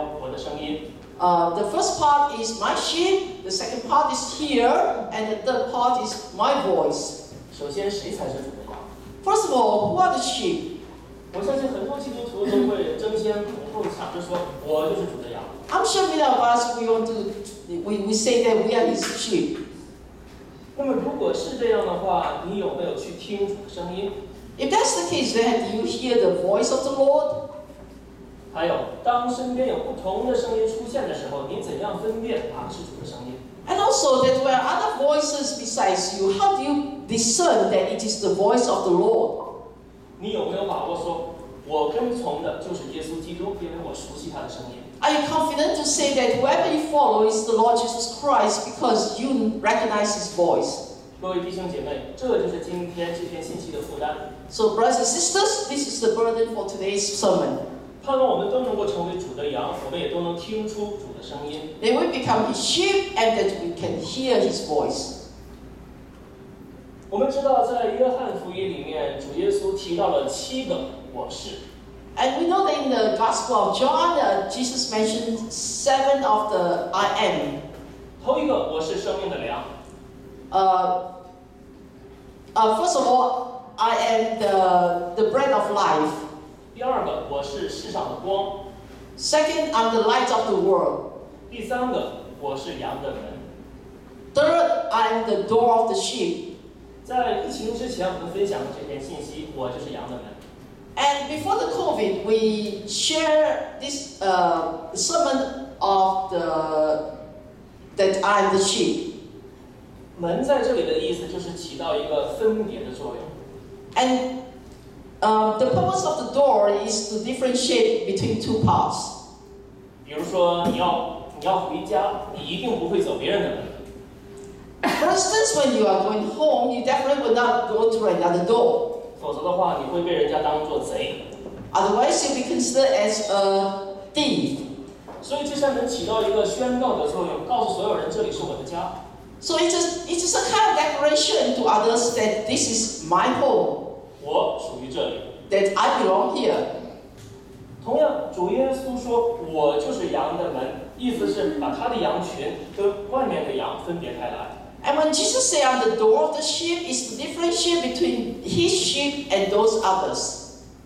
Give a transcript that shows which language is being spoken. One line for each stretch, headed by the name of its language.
English: The first part is my sheep, the second part is here, and the third part is my voice.
Chinese: 首先谁才是主的羊?
English: First of all, who are the sheep?
Chinese: 我相信很多基督徒都会争先恐后抢着说我就是主的羊。
English: I'm sure many of us, we say that we are his sheep.
Chinese: 那么如果是这样的话，你有没有去听主的声音?
English: If that's the case, then do you hear the voice of the Lord?
Chinese: 还有，当身边有不同的声音出现的时候，你怎样分辨啊是主的声音
English: ？And also that there are other voices besides you. How do you discern that it is the voice of the Lord?
Chinese: 你有没有把握说，我跟从的就是耶稣基督，因为我熟悉他的声音
English: ？Are you confident to say that whoever you follow is the Lord Jesus Christ because you recognize his voice?
Chinese: 各位弟兄姐妹，这就是今天这篇信息的负担。
English: So brothers and sisters, this is the burden for today's sermon.
Chinese: 盼望我们都能够成为主的羊，我们也都能听出主的声音。
English: They will become his sheep, and that we can hear his voice.
Chinese: 我们知道，在约翰福音里面，主耶稣提到了七个我是。
English: And we know that in the Gospel of John, Jesus mentioned seven of the I am.
Chinese: 头一个，我是生命的粮。
English: First of all, I am the bread of life.
Chinese: 第二个，我是世上的光。
English: Second, I'm the light of the world.
Chinese: 第三个，我是羊的门。
English: Third, I'm the door of the sheep.
Chinese: 在疫情之前，我们分享的这篇信息，我就是羊的门。
English: And before the COVID, we share this sermon of that I'm the sheep.
Chinese: 门在这里的意思就是起到一个分别的作用。
English: And the purpose of the door is to differentiate between two paths.
Chinese: 比如说你要回家，你一定不会走别人的门。
English: For instance, when you are going home, you definitely will not go to another door.
Chinese: 否则的话，你会被人家当作贼。
English: Otherwise, you'll be considered as a thief.
Chinese: 所以这扇门起到一个宣告的作用，告诉所有人这里是我的家。
English: So it's a kind of declaration to others that this is my home.
Chinese: 我属于这里。
English: That I belong here。
Chinese: 同样，主耶稣说：“我就是羊的门。” 意思是把他的羊群跟外面的羊分别开来。
English: And when Jesus said, "I'm the door of the sheep," is the differentiation between his sheep and those others.